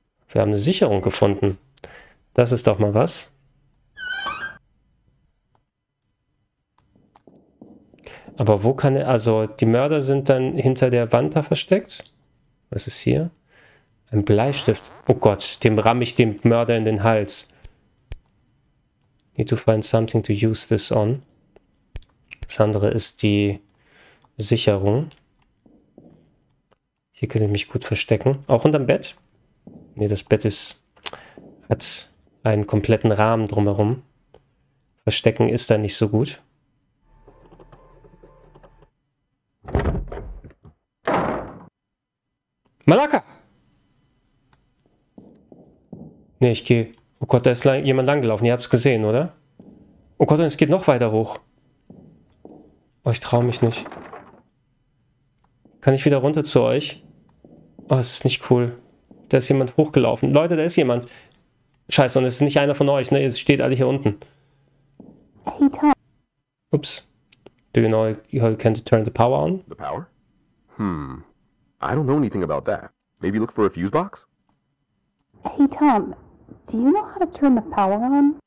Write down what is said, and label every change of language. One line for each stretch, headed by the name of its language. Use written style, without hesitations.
German: Wir haben eine Sicherung gefunden. Das ist doch mal was. Aber wo kann er, also die Mörder sind dann hinter der Wand da versteckt. Was ist hier? Ein Bleistift. Oh Gott, dem ramme ich den Mörder in den Hals.
English: Need to find something to use this on.
German: Das andere ist die Sicherung. Hier kann ich mich gut verstecken. Auch unterm Bett. Nee, das Bett ist, hat einen kompletten Rahmen drumherum. Verstecken ist da nicht so gut.
Greek: Malaka!
German: Nee, ich gehe. Oh Gott, da ist jemand langgelaufen. Ihr habt es gesehen, oder? Oh Gott, und es geht noch weiter hoch. Oh, ich traue mich nicht. Kann ich wieder runter zu euch? Oh, es ist nicht cool. Da ist jemand hochgelaufen. Leute, da ist jemand. Scheiße, und es ist nicht einer von euch, ne? Es steht alle hier unten.
English: Hey, Tom.
German: Ups.
English: Do you know how you can turn the power on? The power? I don't know anything about that. Maybe look for a fuse box? Hey, Tom. Do you know how to turn the power on?